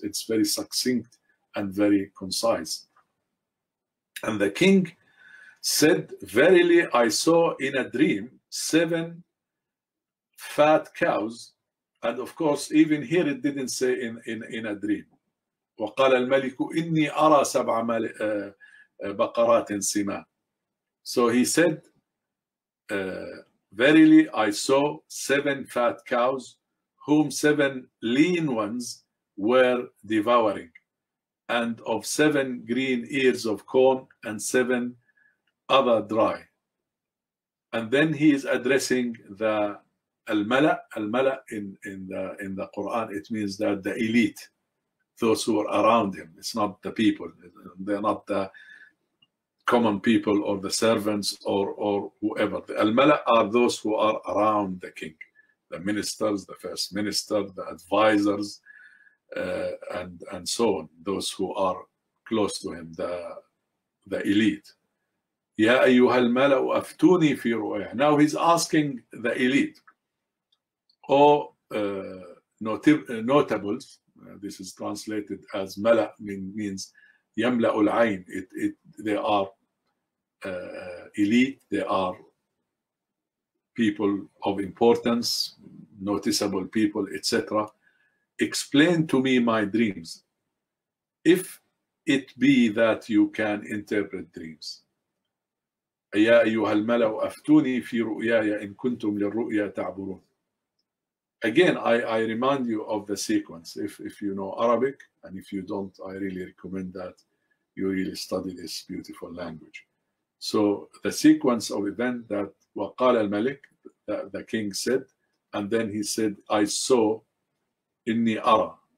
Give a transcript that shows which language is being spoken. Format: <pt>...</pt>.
<en>It's very succinct and very concise. And the king said, verily I saw in a dream seven fat cows. And of course, even here it didn't say in a dream.</en> <ar>وقال الملك إني أرى سبع بقرات سمان.</ar> <en>So he said, verily I saw seven fat cows, whom seven lean ones were devouring, and of seven green ears of corn and seven other dry. And then he is addressing the al-mala. Al-mala in the Quran, it means that the elite, those who are around him. It's not the people, they're not the common people or the servants or whoever. The al-mala are those who are around the king, the ministers, the first minister, the advisors, and so on, those who are close to him, the elite.</en> <ar>يا أيها الملأ أفتوني في رؤياه.</ar> <en>Now he's asking the elite or notables. This is translated as ملأ, means</en> <ar>يملأ العين.</ar> <en>It they are elite. They are people of importance, noticeable people, etc. Explain to me my dreams, if it be that you can interpret dreams.</en> <ar>يا أيها الملأ أفتوني في رؤياي إن كنتم للرؤيا تعبرون.</ar> <en>Again, I remind you of the sequence. If you know Arabic, and if you don't, I really recommend that you really study this beautiful language. So the sequence of event that</en> <ar>وقال الملك,</ar> <en>the king said, and then he said, I saw,</en> <ar>إني أرى.</ar>